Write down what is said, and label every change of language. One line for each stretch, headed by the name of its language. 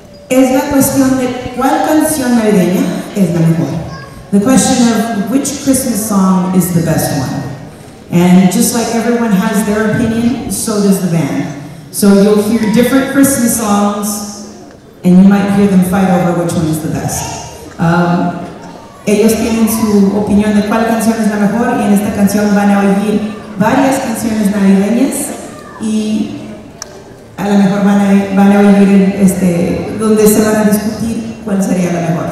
Spanish: Es la cuestión de cuál canción navideña es la mejor.
English: The question of which Christmas song is the best one. And just like everyone has their opinion, so does the band. So you'll hear different Christmas songs, and you might hear them fight over which one is the best.
Spanish: Ellos tienen su opinión de cuál canción es la mejor, y en esta canción van a oír varias canciones navideñas, y a lo mejor van a oír donde se van a discutir cuál sería la mejor.